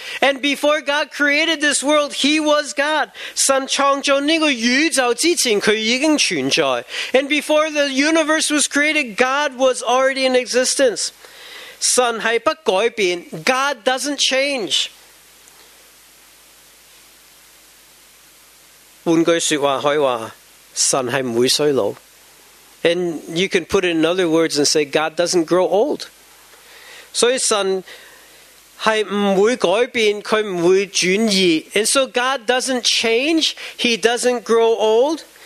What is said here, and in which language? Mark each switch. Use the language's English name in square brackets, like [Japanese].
[English] And before God created this world, He was God. [Chinese] 神创造这个宇宙之前，祂已经存在。 [English] And before the universe was created, God was already in existence. [Chinese] 神是不改变, [English] God doesn't change. [Chinese] 换句说话可以说,神是不会衰老。 [English] And you can put it in other words and say, God doesn't grow old. [Chinese] 所以神 是不会改变,祂不会转移。 [English] And so God doesn't change, He doesn't grow old.